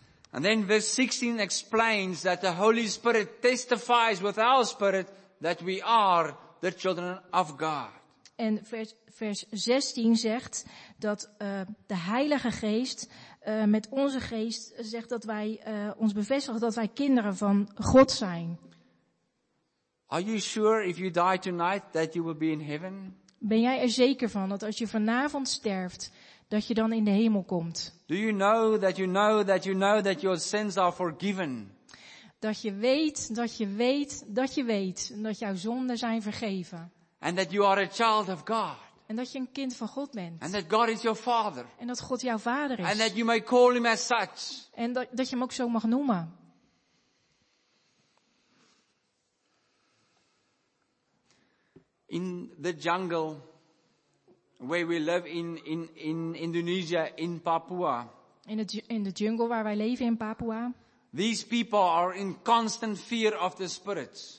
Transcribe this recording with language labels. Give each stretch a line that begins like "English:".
English: And then verse 16 explains that the Holy Spirit testifies with our spirit that we are the children of God.
Dutch: En vers 16 zegt dat de Heilige Geest met onze geest zegt dat wij ons bevestigen dat wij kinderen van God zijn.
English: Are you sure if you die tonight that you will be in heaven?
Dutch: Ben jij er zeker van dat als je vanavond sterft dat je dan in de hemel komt.
English: Do you know that you know that you know that your sins are forgiven?
Dutch: Dat je weet, dat je weet, dat je weet dat jouw zonden zijn vergeven.
English: And that you are a child of God.
Dutch: En dat je een kind van God bent.
English: And that God is your father.
Dutch: En dat God jouw vader is.
English: And that you may call him as such.
Dutch: En dat je hem ook zo mag noemen.
English: In the jungle where we live in Indonesia, in Papua.
Dutch: In de jungle waar wij leven in Papua.
English: These people are in constant fear of the spirits.